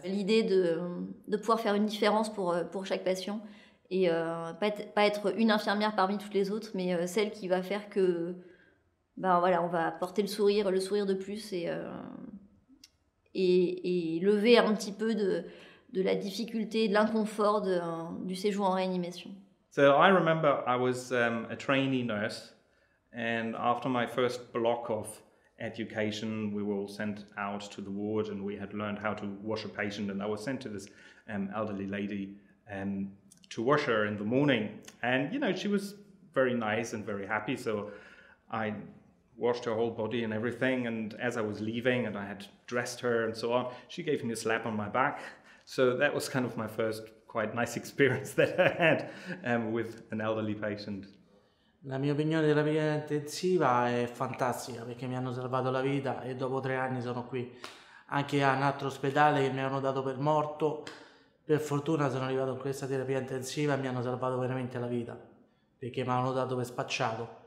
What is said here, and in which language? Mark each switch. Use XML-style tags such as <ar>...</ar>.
<fr>L'idée de pouvoir faire une différence pour chaque patient et pas être une infirmière parmi toutes les autres, mais celle qui va faire que on va porter le sourire de plus et lever un petit peu de la difficulté, de l'inconfort du séjour en réanimation.</fr> <en>So I remember I was a trainee nurse, and after my first block of education, we were all sent out to the ward, and we had learned how to wash a patient, and I was sent to this elderly lady to wash her in the morning. And, you know, she was very nice and very happy, so I washed her whole body and everything, and as I was leaving and I had dressed her and so on, she gave me a slap on my back. So that was kind of my first quite nice experience that I had with an elderly patient.</en> <it>La mia opinione della vita intensiva è fantastica perché mi hanno salvato la vita e dopo 3 anni sono qui. Anche a un altro ospedale che mi hanno dato per morto, per fortuna sono arrivato in questa terapia intensiva e mi hanno salvato veramente la vita perché mi hanno dato per spacciato.</it>